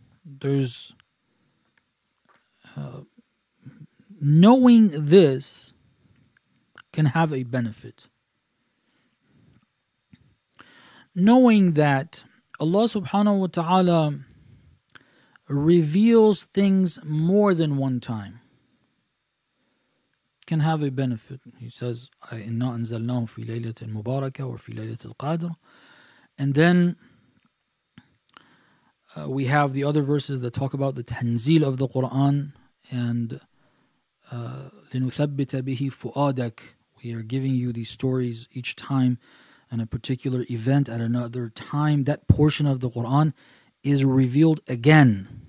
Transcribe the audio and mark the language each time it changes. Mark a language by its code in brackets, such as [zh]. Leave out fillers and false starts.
[en] There's knowing this can have a benefit. Knowing that Allah subhanahu wa ta'ala reveals things more than one time can have a benefit. He says, [ar] إِنَّا أَنزَلْنَاهُ فِي لَيْلَةِ الْمُبَارَكَةِ وَفِي لَيْلَةِ الْقَادْرِ. [en] And then we have the other verses that talk about the tanzeel of the Qur'an, and [ar] لِنُثَبِّتَ بِهِ فُؤَادَكَ. [en] We are giving you these stories each time, and a particular event at another time, that portion of the Qur'an is revealed again.